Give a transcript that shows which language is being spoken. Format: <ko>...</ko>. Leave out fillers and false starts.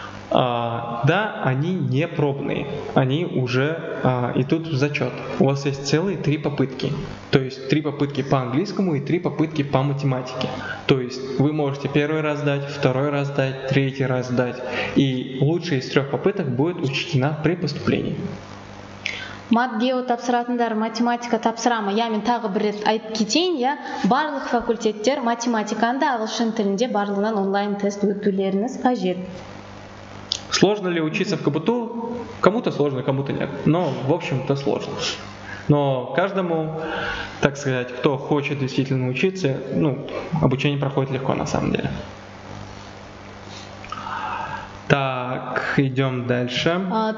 <ru>Да, они не пробные, они уже идут в зачет. У вас есть целые 3 попытки, то есть 3 попытки по английскому и 3 попытки по математике. То есть вы можете первый раз сдать, второй раз сдать, третий раз сдать, и лучшая из 3 попыток будет учтена при поступлении.</ru> <kk>Мат гео тапсыратындар математика тапсырама, я мен тағы бір рет айтып кетейін, я барлық факультеттер математиканда ағылшын тілінде барлығынан онлайн тест өтулеріңіз қажет.</kk> <ru>Сложно ли учиться в КБТУ? Кому-то сложно, кому-то нет. Но, в общем-то, сложно. Но каждому, так сказать, кто хочет действительно учиться, ну, обучение проходит легко на самом деле. Так, идем дальше.</ru>